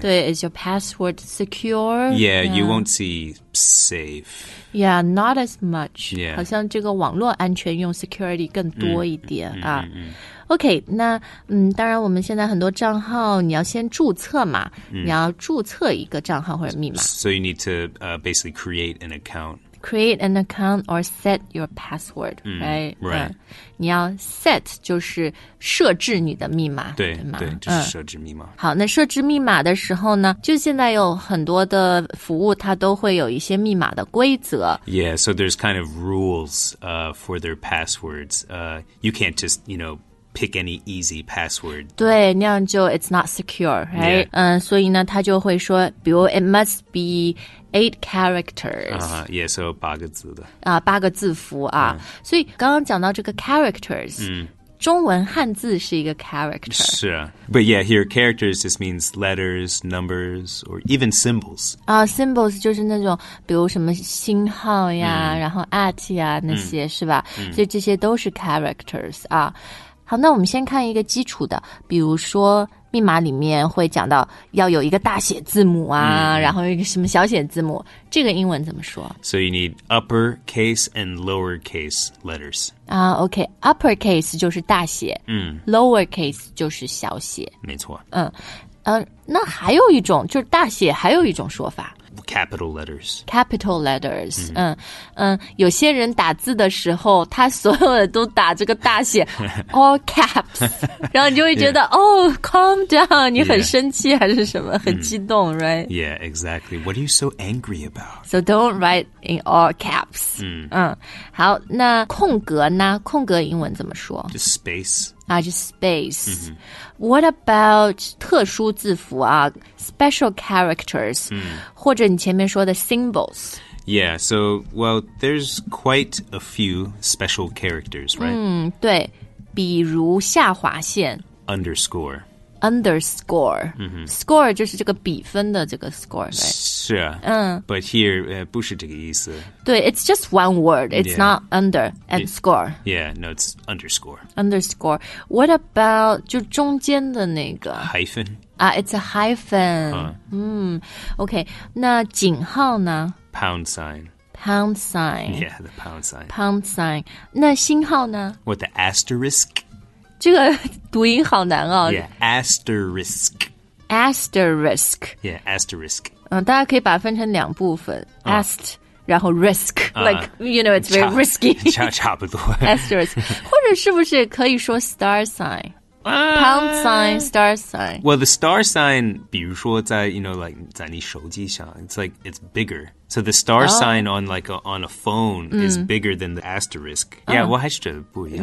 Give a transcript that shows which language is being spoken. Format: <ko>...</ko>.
<en>对 is your password secure yeah, yeah you won't see safe yeah not as much yeah</en> <zh>好像这个网络安全用 security 更多一点、OK, 那、当然我们现在很多账号你要先注册嘛、你要注册一个账号或者密码。</zh> <en>So you need to、basically create an account. Create an account or set your password,、right? Right.、</en> <zh>你要 set 就是设置你的密码。对, 对, 吗对就是设置密码、好那设置密码的时候呢就现在有很多的服务它都会有一些密码的规则。</zh> <en>Yeah, so there's kind of rules、for their passwords.、you can't just, you know,pick any easy password.</en> <zh>对那样就</zh> <en>it's not secure, right? Yeah.、</en> <zh>所以呢他就会说比如</zh> <en>it must be 8 characters. Yeah, so</en> <zh>八个字的。八个字符啊。所以刚刚讲到这个 characters,、中文汉字是一个 character. 是啊。</zh> <en>But yeah, here characters just means letters, numbers, or even symbols.</en> <zh>Symbols 就是那种比如什么星号呀、然后 at 呀那些、是吧、所以这些都是 characters 啊。好那我们先看一个基础的比如说密码里面会讲到要有一个大写字母啊、然后一个什么小写字母这个英文怎么说</zh> <en>So you need uppercase and lowercase letters.</en> <zh>OK, uppercase 就是大写、lowercase 就是小写。没错。那还有一种就是大写还有一种说法。</zh> <en>Capital letters. Capital letters.</en> <zh>有些人打字的时候他所有的都打这个大写 all caps. 然后你就会觉得</zh> <en>oh, calm down.</en> <zh>你很生气还是什么很激动</zh> <en>right? Yeah, exactly. What are you so angry about? So don't write in all caps.</en> <zh>好那空格呢空格英文怎么说</zh> <en>Just space. Just space.、What about</en> <zh>特殊字符啊</zh> <en>special characters,、</en> <zh>或者你前面说的</zh> <en>symbols? Yeah, so, well, there's quite a few special characters, right?、</en> <zh>对,比如下划线。</zh> <en>Underscore.</en> <zh>Underscore.、Score 就是这个比分的这个 score,</zh> <en>right?</en> <zh>是啊、</zh> <en>But here,</en> <zh>不是这个意思。对,</zh> <en>it's just one word. It's、yeah. not under and score. Yeah, no, it's underscore. Underscore. What about</en> <zh>就中间的那个</zh> <en>Hyphen? It's a hyphen.、Okay,</en> <zh>那井号呢</zh> <en>Pound sign. Pound sign. Yeah, the pound sign. Pound sign.</en> <zh>那星号呢</zh> <en>What, the asterisk?</en> <zh>这个读音好难哦。</zh> <en>Yeah, asterisk. Asterisk. Yeah, asterisk.、</en> <zh>大家可以把它分成两部分、</zh> <en>Ast,</en> <zh>然后</zh> <en>risk.、Like, you know, it's very risky.</en> <zh>差不多。</zh> <en>Asterisk.</en> <zh>或者是不是可以说 star sign?</zh> <en>Pound sign, star sign. Well, the star sign,</en> <zh>比如说在,</zh> <en>you know, like,</en> <zh>在你手机上,</zh> <en>it's like, it's bigger. So the star、sign on, like, on a phone、is bigger than the asterisk.、Yeah,</en> <zh>我还是觉得不一样。</zh>